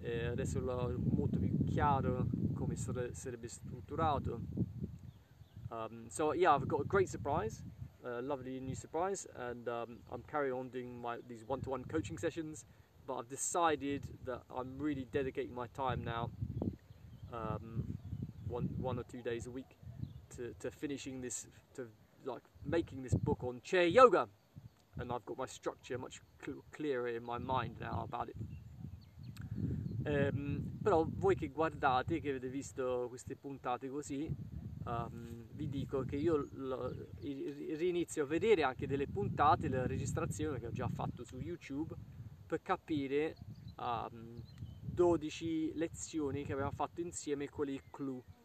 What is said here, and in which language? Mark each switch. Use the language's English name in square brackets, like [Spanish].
[Italian] Adesso l'ho molto più chiaro come sarebbe strutturato. [English] I've got a great surprise. A lovely new surprise, and I'm carrying on doing these one-to-one coaching sessions, but I've decided that I'm really dedicating my time now, one or two days a week, to finishing this, to like making this book on chair yoga, and I've got my structure much clearer in my mind now about it. [Italian] Però voi che guardate, che avete visto queste puntate così, vi dico che io rinizio a vedere anche delle puntate, la registrazione che ho già fatto su YouTube, per capire 12 lezioni che abbiamo fatto insieme con il clou.